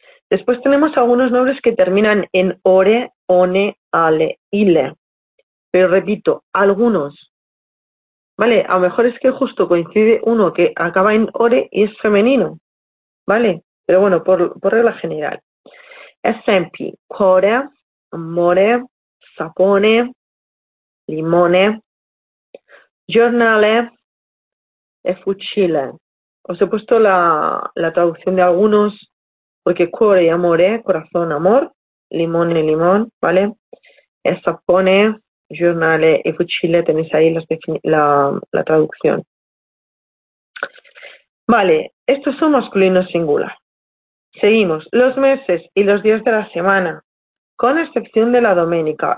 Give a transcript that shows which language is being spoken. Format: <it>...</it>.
<es>Después tenemos algunos nombres que terminan en ore, one, ale, ile. Pero repito, algunos. ¿Vale? A lo mejor es que justo coincide uno que acaba en ore y es femenino. ¿Vale? Pero bueno, por regla general.</es> <it>Esempi, cuore, amore, sapone, limone, giornale e fucile.</it> <es>Os he puesto la traducción de algunos, porque cuore y amore, corazón, amor, limone, limón, ¿vale? Sapone, giornale e fucile, tenéis ahí la traducción. Vale, estos son masculinos singular. Seguimos, los meses y los días de la semana, con excepción de la domenica.</es>